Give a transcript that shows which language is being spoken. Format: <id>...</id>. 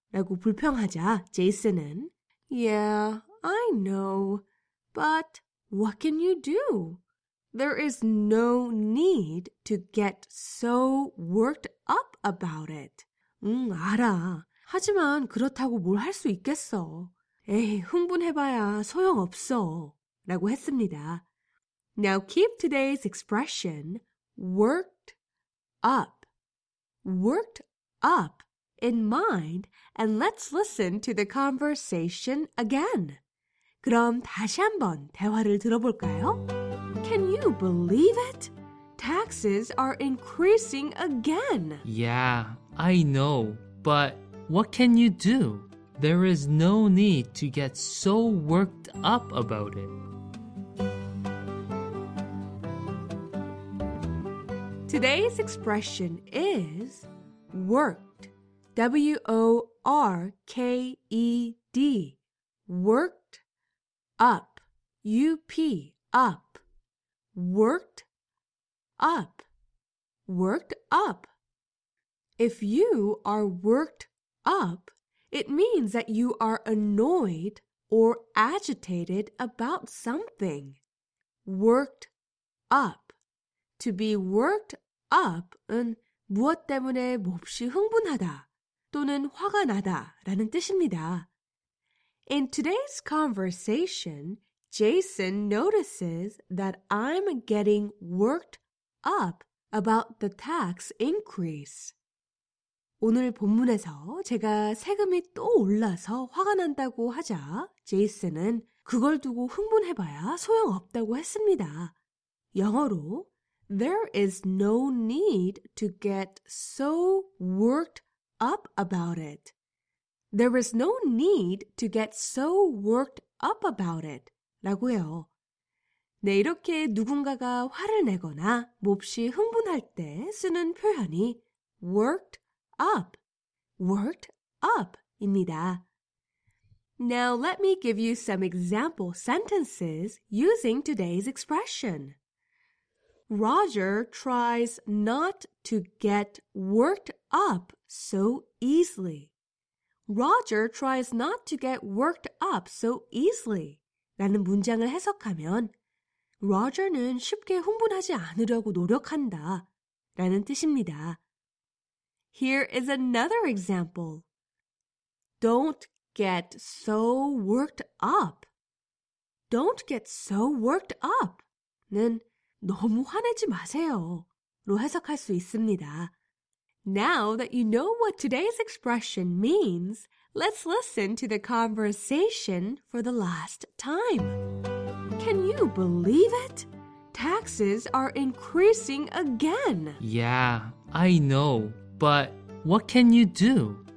<ko>라고 불평하자 제이슨은</ko> <en>Yeah, I know. But what can you do? There is no need to get so worked up about it.</en> <ko>알아. 하지만 그렇다고 뭘 할 수 있겠어. 에이, 흥분해봐야 소용없어. 라고 했습니다.</ko> <en>Now keep today's expression, worked up. Worked up in mind, and let's listen to the conversation again.</en> <ko>그럼 다시 한번 대화를 들어볼까요?</ko> <en>Can you believe it? Taxes are increasing again. Yeah, I know, but... What can you do? There is no need to get so worked up about it. Today's expression is worked. W-O-R-K-E-D. Worked up. U-P. Up. Worked up. Worked up. If you are worked up, it means that you are annoyed or agitated about something. Worked up. To be worked up은</en> <ko>무엇 때문에 몹시 흥분하다 또는 화가 나다라는 뜻입니다.</ko> <en>In today's conversation, Jason notices that I'm getting worked up about the tax increase.</en> <ko>오늘 본문에서 제가 세금이 또 올라서 화가 난다고 하자 제이슨은 그걸 두고 흥분해봐야 소용없다고 했습니다.</ko> <en>영어로 There is no need to get so worked up about it. There is no need to get so worked up about it.</en> <ko>라고요. 네, 이렇게 누군가가 화를 내거나 몹시 흥분할 때 쓰는 표현이 worked up, worked up 입니다.</ko> <en>Now let me give you some example sentences using today's expression. Roger tries not to get worked up so easily. Roger tries not to get worked up so easily.</en> <ko>라는 문장을 해석하면 Roger는 쉽게 흥분하지 않으려고 노력한다 라는 뜻입니다.</ko> <en>Here is another example. Don't get so worked up. Don't get so worked up.</en> <ko>는 너무 화내지 마세요 로 해석할 수 있습니다.</ko> <en>Now that you know what today's expression means, let's listen to the conversation for the last time. Can you believe it? Taxes are increasing again. Yeah, I know. But what can you do?</en>